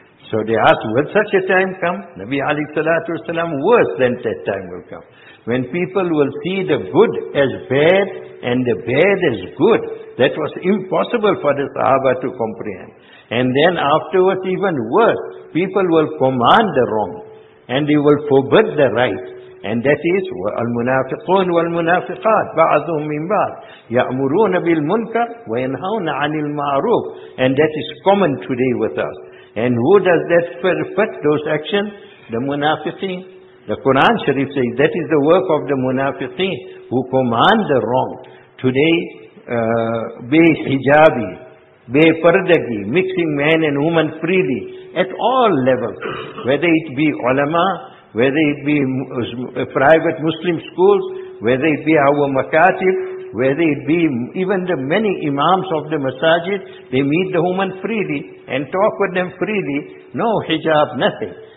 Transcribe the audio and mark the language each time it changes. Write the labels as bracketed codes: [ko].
[en] So they asked, will such a time come? Nabi alayhi salatu wasalam, worse than that time will come. When people will see the good as bad and the bad as good, that was impossible for the Sahaba to comprehend. And then afterwards, even worse, people will command the wrong and they will forbid the right. And that is [ar] المنافقون والمنافقات بعضهم من بعض يأمرون بالمنكر وينهون عن المعروف. [en] And that is common today with us. And who does that fit those actions? The munafiqeen. The Quran Sharif says that is the work of the munafiqeen who command the wrong. Today, be hijabi, be pardagi, mixing man and woman freely at all levels, whether it be ulama, whether it be private Muslim schools, whether it be our makatib, whether it be even the many imams of the masajid, they meet the woman freely and talk with them freely, no hijab, nothing.